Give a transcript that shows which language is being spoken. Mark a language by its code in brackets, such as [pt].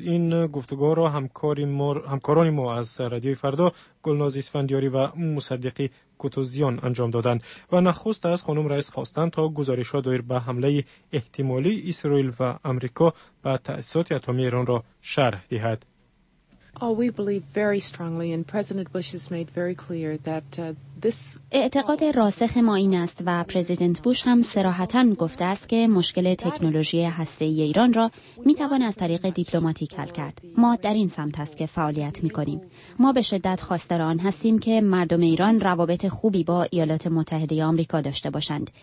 [fa] این گفتگو را همکاران ما از رادیو فردا، گلناز اسفندیاری و مصدقی کتوزیان انجام دادند و نخست از خانم رئیس خواستند تا گزارش ها دایر با حمله احتمالی اسرائیل و آمریکا به تأسیسات اتمی ایران را شرح دهد. [en] We believe very strongly and President Bush has made very clear that [fa] اعتقاد راسخ ما این است و پرزیدنت بوش هم صراحتاً گفته است که مشکل تکنولوژی هسته‌ای ایران را میتوان از طریق دیپلماتیک حل کرد. ما در این سمت است که فعالیت میکنیم. ما به شدت خواستار آن هستیم که مردم ایران روابط خوبی با ایالات متحده آمریکا داشته باشند.